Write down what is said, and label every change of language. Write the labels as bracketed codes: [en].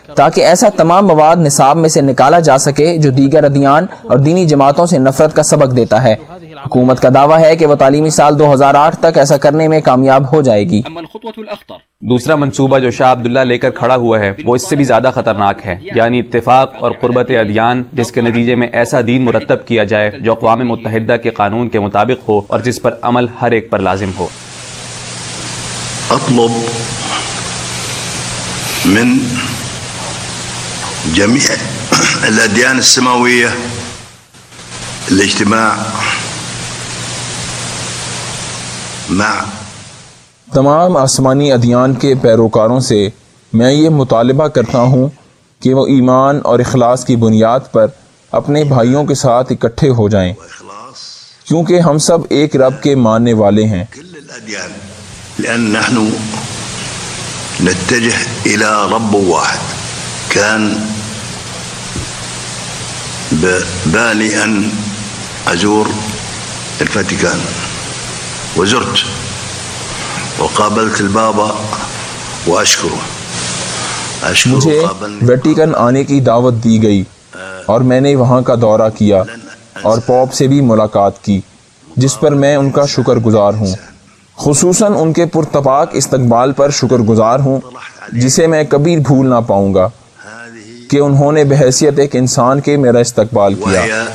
[ur] تاکہ ایسا تمام مواد نصاب میں سے نکالا جا سکے جو دیگر ادیان اور دینی جماعتوں سے نفرت کا سبق دیتا ہے۔ حکومت کا دعویٰ ہے کہ وہ تعلیمی سال 2008 تک ایسا کرنے میں کامیاب ہو جائے گی۔ دوسرا منصوبہ جو شاہ عبداللہ لے کر کھڑا ہوا ہے وہ اس سے بھی زیادہ خطرناک ہے، یعنی اتفاق اور قربت ادیان، جس کے نتیجے میں ایسا دین مرتب کیا جائے جو اقوام متحدہ کے قانون کے مطابق ہو اور جس پر عمل ہر ایک پر لازم ہو۔ [ar] اطلب من جميع الاديان السماويه الاجتماع مع [ur] تمام آسمانی ادیان کے پیروکاروں سے میں یہ مطالبہ کرتا ہوں کہ وہ ایمان اور اخلاص کی بنیاد پر اپنے بھائیوں کے ساتھ اکٹھے ہو جائیں، کیونکہ ہم سب ایک رب کے ماننے والے ہیں۔ [ar] لأن نحن نتجه إلى رب واحد، كان ببالي أن أزور الفاتيكان وزرت وقابلت البابا وأشكره [ur] مجھے ویٹیکن آنے کی دعوت دی گئی اور میں نے وہاں کا دورہ کیا اور پوپ سے بھی ملاقات کی، جس پر میں ان کا شکر گزار ہوں، خصوصاً ان کے پرتپاک استقبال پر شکر گزار ہوں جسے میں کبھی بھول نہ پاؤں گا کہ انہوں نے بحیثیت ایک انسان کے میرا استقبال کیا۔